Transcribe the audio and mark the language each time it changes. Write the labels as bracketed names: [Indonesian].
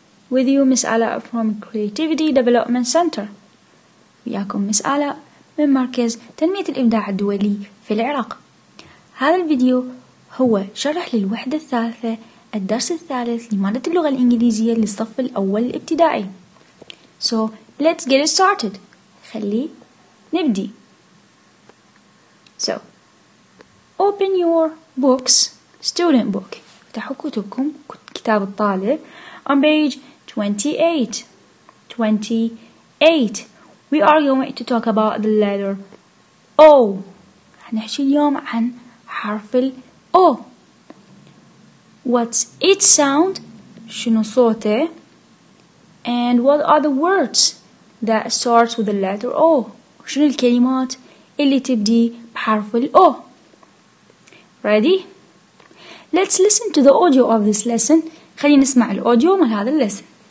[English] With you, Miss Ala from Creativity Development Center. [Arabic] وياكم Miss Ala من مركز تنمية الإبداع الدولي في العراق. هذا الفيديو هو شرح للوحدة الثالثة الدرس الثالث لمادة اللغة الإنجليزية للصف الأول الابتدائي. [English] So, let's get it started. [Arabic] خلي نبدي. [English] So, open your books, student book. [Arabic] افتحوا كتبكم. كتاب الطالب [English] on page 28 we are going to talk about the letter O. [Arabic] هنحكي اليوم عن حرف ال O. [English] What's its sound? [Arabic] شنو صوته? [English] And what are the words that starts with the letter O? [Arabic] شنو الكلمات اللي تبدي بحرف ال O? [English] Ready? Let's listen to the audio of this lesson. [Arabic] خلينا نسمع الاوديو مال هذا الليسن.